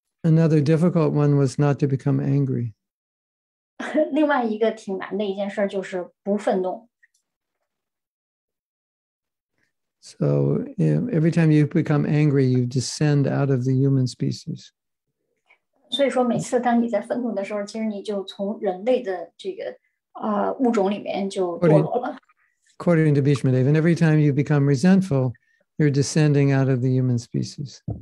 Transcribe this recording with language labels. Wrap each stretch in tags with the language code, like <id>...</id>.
<en>Another difficult one was not to become angry.</en> <zh>另外一个挺难的一件事就是不愤怒。</zh> <en>So you know, every time you become angry, you descend out of the human species.</en> <zh>所以说每次当你在愤怒的时候，其实你就从人类的这个。</zh> <en>According to Bhishma Dev, and every time you become resentful, you're descending out of the human species.</en>